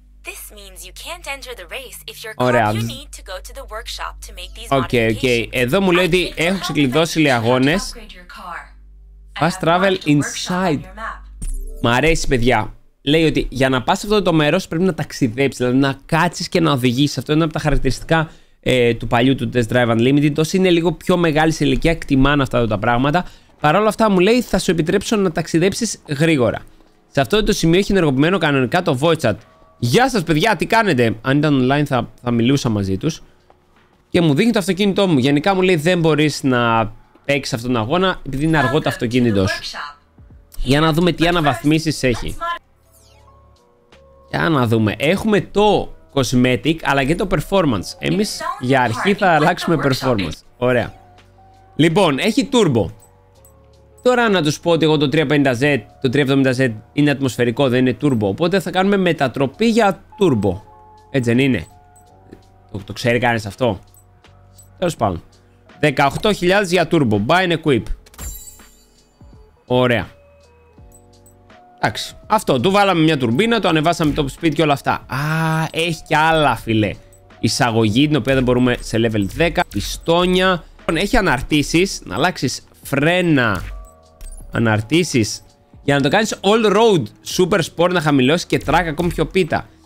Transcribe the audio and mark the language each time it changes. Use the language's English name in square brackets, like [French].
[English] This means you can't enter the race if your car you need to go to the workshop to make these modifications. Okay. [Greek] Εδώ μου λέει ότι έχω ξεκλειδώσει οι αγώνες. Fast travel inside. Μ' αρέσει, παιδιά. Λέει ότι για να πας σε αυτό το μέρος πρέπει να ταξιδέψεις, δηλαδή να κάτσεις και να οδηγείς. Αυτό είναι από τα χαρακτηριστικά του παλιού του Test Drive Unlimited. Τόσο είναι λίγο πιο μεγάλη σε ηλικία, εκτιμάνε αυτά τα πράγματα. Παρ' όλα αυτά μου λέει θα σου επιτρέψω να ταξιδέψεις γρήγορα. Σε αυτό το σημείο έχει ενεργοποιημένο κανονικά το voice chat. Γεια σας παιδιά, τι κάνετε? Αν ήταν online θα μιλούσα μαζί τους. Και μου δείχνει το αυτοκίνητό μου. Γενικά μου λέει δεν μπορείς να παίξεις αυτόν τον αγώνα επειδή είναι αργό το αυτοκίνητό σου. Για να δούμε τι αναβαθμίσεις έχει. Για να δούμε. Έχουμε το cosmetic αλλά και το performance. Εμείς για αρχή θα αλλάξουμε performance. Ωραία. Λοιπόν, έχει turbo. Τώρα να τους πω ότι εγώ το 350Z, το 370Z είναι ατμοσφαιρικό, δεν είναι turbo. Οπότε θα κάνουμε μετατροπή για turbo. Έτσι δεν είναι? Το ξέρει κανένας αυτό? Τέλος πάντων. [English] 18.000 για turbo, buy and equip. [Greek] Ωραία. Εντάξει, αυτό, του βάλαμε μια τουρμπίνα, το ανεβάσαμε το speed και όλα αυτά. Α, έχει και άλλα φίλε. Εισαγωγή, την οποία δεν μπορούμε σε level 10. Πιστόνια. Έχει αναρτήσεις, να αλλάξεις φρένα. Αναρτήσεις για να το κάνεις all road super sport, να χαμηλώσεις και track ακόμη πιο πίτα.